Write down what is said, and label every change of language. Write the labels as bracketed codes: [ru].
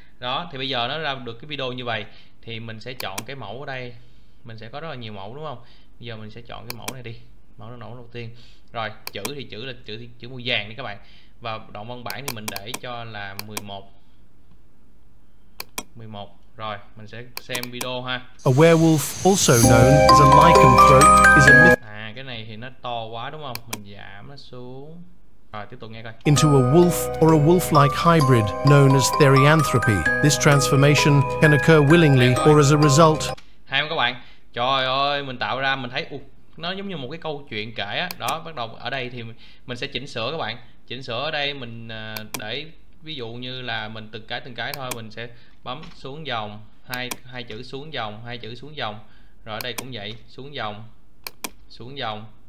[vi] Đó, thì bây giờ nó ra được cái video như vậy thì mình sẽ chọn cái mẫu ở đây. Mình sẽ có rất là nhiều mẫu đúng không? Bây giờ mình sẽ chọn cái mẫu này đi, mẫu nó nổ đầu tiên. Rồi, chữ thì chữ là chữ chữ màu vàng đi các bạn. Và đoạn văn bản thì mình để cho là 11. Rồi, mình sẽ xem video ha. [en] A werewolf also known as a lycanthrope is a myth. [vi] À, cái này thì nó to quá đúng không? Mình giảm nó xuống. Rồi, tiếp tục nghe coi. [en] Into a wolf or a wolf-like hybrid known as therianthropy. This transformation can occur willingly or as a result. [vi] Hay không các bạn? Trời ơi, mình tạo ra mình thấy nó giống như một cái câu chuyện kể á. Đó, bắt đầu ở đây thì mình sẽ chỉnh sửa các bạn. Chỉnh sửa ở đây mình để ví dụ như là mình từng cái thôi, mình sẽ bấm xuống dòng, hai chữ xuống dòng, hai chữ xuống dòng. Rồi ở đây cũng vậy, xuống dòng. Xuống dòng.